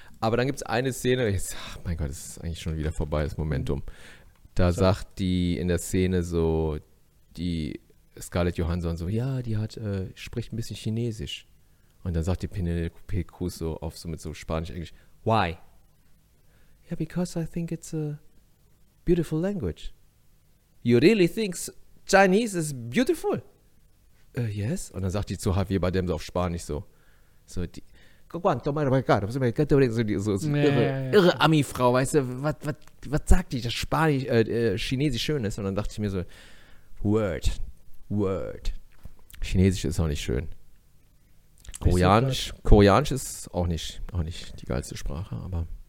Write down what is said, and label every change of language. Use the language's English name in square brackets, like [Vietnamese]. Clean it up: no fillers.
[German] Aber dann gibt es eine Szene, jetzt, ach mein Gott, das ist eigentlich schon wieder vorbei, das Momentum. Da so. Sagt die in der Szene so, die Scarlett Johansson so, ja, die hat spricht ein bisschen Chinesisch. Und dann sagt die Penelope Cruz so auf so mit so Spanisch-Englisch, [English] why? [German] Ja, [English] yeah, because I think it's a beautiful language. You really think Chinese is beautiful? Yes? [German] Und dann sagt die zu Javier Bardem so auf Spanisch so, so die, irre Ami-Frau, weißt du, was sagt die, das Spanisch, Chinesisch schön ist? Und dann dachte ich mir so, Word. Chinesisch ist auch nicht schön. Koreanisch ist auch nicht die geilste Sprache, aber.